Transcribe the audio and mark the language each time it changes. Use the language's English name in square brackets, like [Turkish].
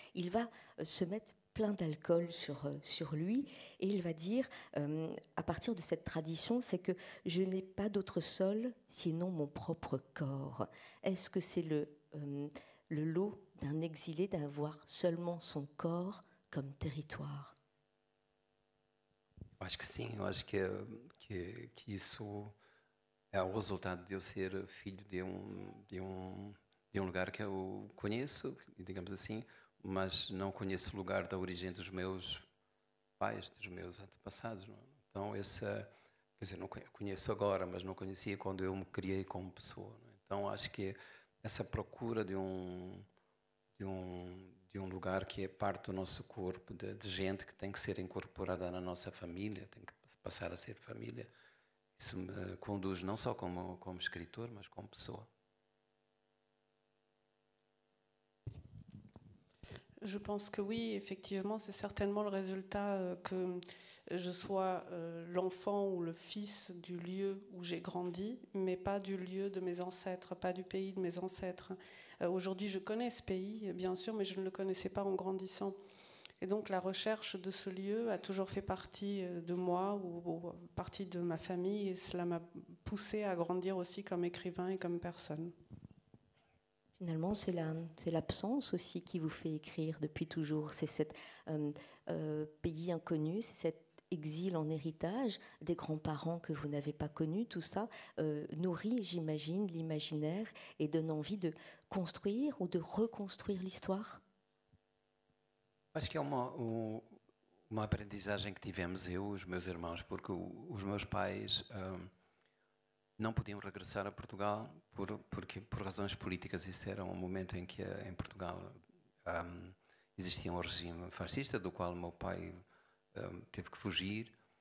[French] Il va se mettre plein d'alcool sur lui et il va dire, à partir de cette tradition, c'est que je n'ai pas d'autre sol sinon mon propre corps. Est-ce que c'est le lot d'un exilé d'avoir seulement son corps comme territoire. [Portuguese] Eu acho que sim, eu acho que, que isso é o resultado de eu ser filho de um lugar que eu conheço, digamos assim, mas não conheço o lugar da origem dos meus pais, dos meus antepassados. Então, essa, quer dizer, não conheço agora, mas não conhecia quando eu me criei como pessoa. Então, acho que essa procura de um lugar que é parte do nosso corpo, de gente que tem que ser incorporada na nossa família, tem que passar a ser família, isso me conduz não só como escritor, mas como pessoa. [French] Je pense que oui, effectivement, c'est certainement le résultat que je sois l'enfant ou le fils du lieu où j'ai grandi, mais pas du lieu de mes ancêtres, pas du pays de mes ancêtres. Aujourd'hui, je connais ce pays, bien sûr, mais je ne le connaissais pas en grandissant. Et donc, la recherche de ce lieu a toujours fait partie de moi ou partie de ma famille, et cela m'a poussée à grandir aussi comme écrivain et comme personne. Finalement, c'est l'absence aussi qui vous fait écrire depuis toujours. C'est cet pays inconnu, c'est cet exil en héritage des grands-parents que vous n'avez pas connus. Tout ça nourrit, j'imagine, l'imaginaire et donne envie de construire ou de reconstruire l'histoire. [Portuguese] Acho que é uma aprendizagem que tivemos eu e os meus irmãos, porque os meus pais não podiam regressar a Portugal porque razões políticas. Isso era um momento em que em Portugal existia um regime fascista, do qual meu pai teve que fugir.